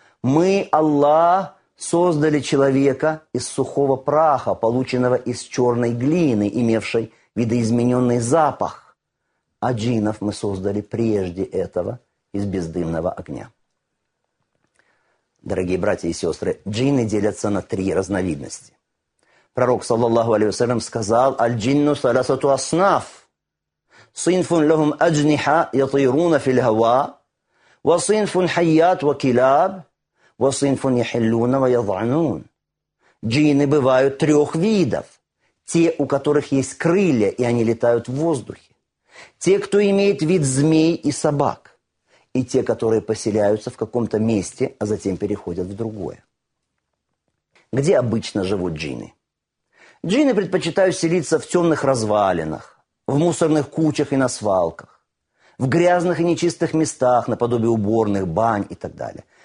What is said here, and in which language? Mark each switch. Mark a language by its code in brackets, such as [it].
[ru] Мы, Аллах, создали человека из сухого праха, полученного из черной глины, имевшей видоизмененный запах. А джиннов мы создали прежде этого из бездымного огня. Дорогие братья и сестры, джинны делятся на три разновидности. Пророк, саллаллаху алейхи вассалям, сказал: [ar] «Аль-джинну саласату аснаф». صنف لهم أجنحة يطيرون في الهواء، وصنف حيات وكلاب، وصنف يحلون ويضعنون. [ru] Джинны бывают трех видов. Те, у которых есть крылья, и они летают в воздухе. Те, кто имеет вид змей и собак. И те, которые поселяются в каком-то месте, а затем переходят в другое. Где обычно живут джинны? Джинны предпочитают селиться в темных развалинах, в мусорных кучах и на свалках, в грязных и нечистых местах, наподобие уборных, бань и так далее.